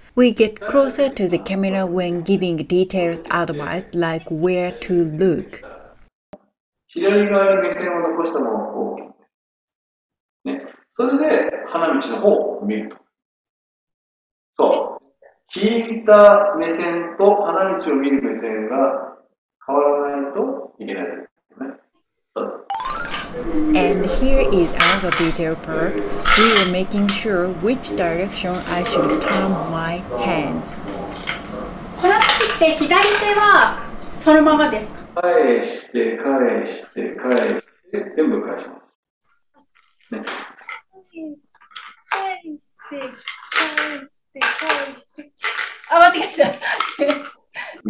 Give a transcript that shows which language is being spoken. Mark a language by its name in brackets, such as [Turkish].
[English] We get closer to the camera when giving details advice, like where to look. [Japanese] 左側に目線を残したままこう切って、ね、それで花道の方を見ると。そう。引いた目線と花道を見る目線が変わらないといけないですね。そう。 [English] And here is another detail part. We are making sure which direction I should turn my hands. [Japanese] この時って左手はそのままですか？返して返して返して全部返します。ね。返して返して返して返して。あ、間違えた。